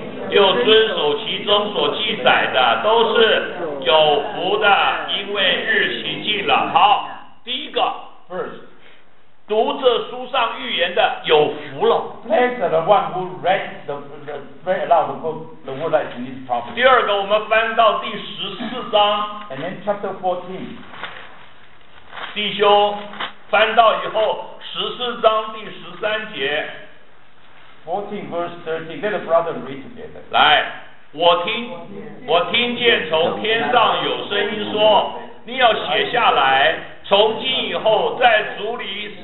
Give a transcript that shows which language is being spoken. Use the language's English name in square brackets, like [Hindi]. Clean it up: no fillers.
[Chinese] 又遵守其中所记载的都是有福的因为日期近了好第一个 [English] First [Chinese] 读这书上预言的有福了。 [English] Blessed the one who read the read aloud the book the word that is in this prophecy. [Chinese] 第二个，我们翻到第十四章。 [English] And then chapter 14. [Chinese] 弟兄，翻到以后十四章第十三节。 [English] 14 verse 13. Let the brother read together. [Chinese] 来，我听见从天上有声音说，你要写下来，从今以后在主里。